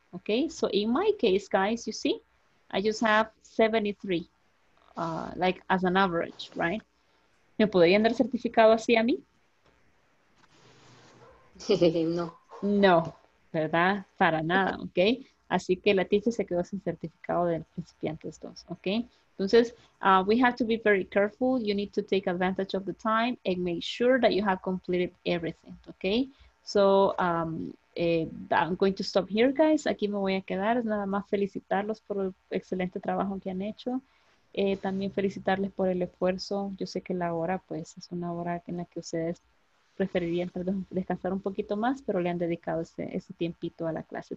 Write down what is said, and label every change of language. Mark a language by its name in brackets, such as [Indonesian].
[English] Okay. So in my case, guys, you see, I just have 73, like as an average, right? [Spanish] ¿Me podrían dar certificado así a mí? No. No, ¿verdad? Para nada, ¿ok? Así que la teacher se quedó sin certificado del principiante 2, ¿ok? Entonces, [English] we have to be very careful. You need to take advantage of the time and make sure that you have completed everything, ¿ok? So, I'm going to stop here, guys. [Spanish] Aquí me voy a quedar. Es nada más felicitarlos por el excelente trabajo que han hecho. También felicitarles por el esfuerzo. Yo sé que la hora, pues, es una hora en la que ustedes preferirían descansar un poquito más, pero le han dedicado ese tiempito a la clase.